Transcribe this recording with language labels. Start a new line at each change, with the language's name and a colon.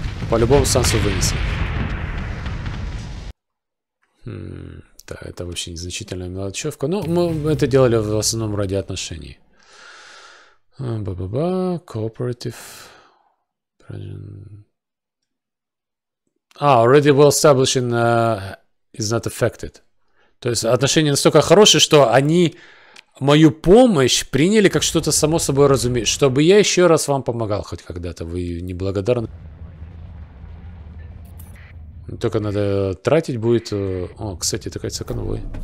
Russian: По-любому Сансу вынесли. Да, это вообще незначительная мелочевка. Но мы это делали в основном ради отношений.
English: Ба-ба-ба, cooperative. А, already well established is not affected.
Russian: То есть отношения настолько хорошие, что они мою помощь приняли как что-то само собой разумеющее. Чтобы я еще раз вам помогал хоть когда-то. Вы неблагодарны. Только надо тратить будет. О, кстати, это, кажется, конвой.